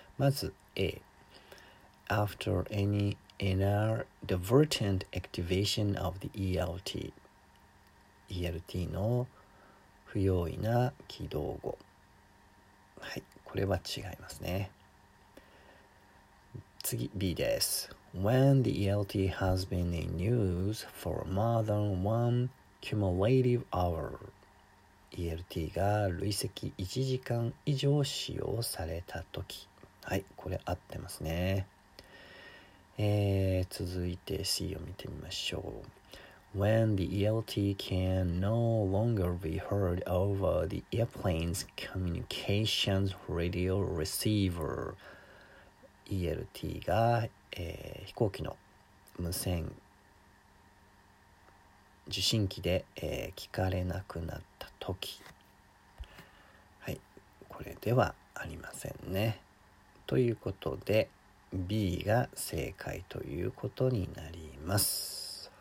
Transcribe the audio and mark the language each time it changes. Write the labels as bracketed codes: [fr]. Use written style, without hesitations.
[en] まず A. After any inadvertent activation of the ELT. [ja] ELT の不用意な起動後。はい、これは違いますね。次 B です。 [en] When the ELT has been in use for more than one cumulative hour. [ja] ELT が累積1時間以上使用されたとき。はい、これ合ってますね。続いて C を見てみましょう。 [en] When the ELT can no longer be heard over the airplane's communications radio receiver. [ja] ELT が、飛行機の無線受信機で、聞かれなくなったとき。はい、これではありませんね。ということで B が正解ということになります。